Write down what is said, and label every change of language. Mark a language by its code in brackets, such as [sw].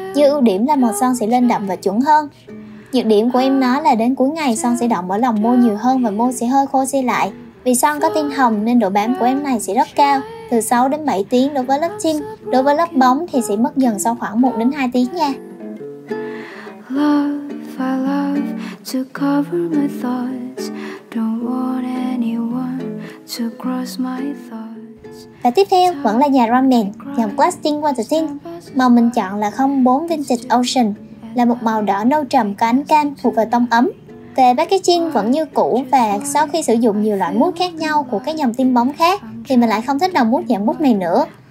[vi] Như ưu điểm là màu son sẽ lên đậm và chuẩn hơn. Nhược điểm của em nó là đến cuối ngày son sẽ đọng ở lòng môi nhiều hơn và môi sẽ hơi khô xe lại. Vì son có tint hồng nên độ bám của em này sẽ rất cao, từ 6 đến 7 tiếng đối với lớp tint. Đối với lớp bóng thì sẽ mất dần sau khoảng 1 đến 2 tiếng nha. [en] Love, I love to cover my thoughts. Don't want anyone to cross my thoughts. [vi] Và tiếp theo vẫn là nhà Ramen, dòng Lasting Water Tint. Màu mình chọn là 04 Vintage Ocean, là một màu đỏ nâu trầm có ánh cam thuộc vào tông ấm. Về packaging vẫn như cũ, và sau khi sử dụng nhiều loại mút khác nhau của các dòng tint bóng khác thì mình lại không thích đầu mút dạng mút này nữa.